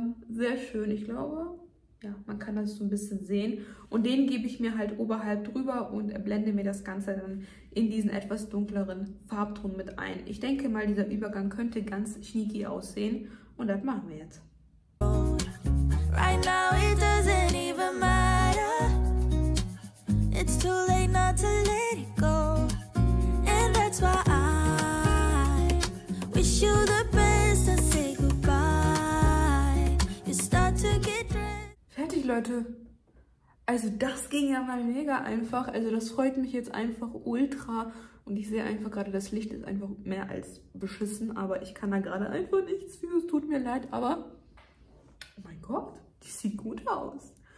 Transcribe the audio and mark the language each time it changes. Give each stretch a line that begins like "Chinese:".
German: Sehr schön, ich glaube. Ja, man kann das so ein bisschen sehen. Und den gebe ich mir halt oberhalb drüber und blende mir das Ganze dann in diesen etwas dunkleren Farbton mit ein. Ich denke mal, dieser Übergang könnte ganz sneaky aussehen. Und das machen wir jetzt.
English: Right now it doesn't even matter. It's too late not to let it go. And that's why I wish you the best and say goodbye. You start to get.
German: Fertig, Leute. Also das ging ja mal mega einfach. Also das freut mich jetzt einfach ultra. Und ich sehe einfach gerade, das Licht ist einfach mehr als beschissen. Aber ich kann da gerade einfach nichts für. Es tut mir leid, aber oh mein Gott, die sieht gut aus.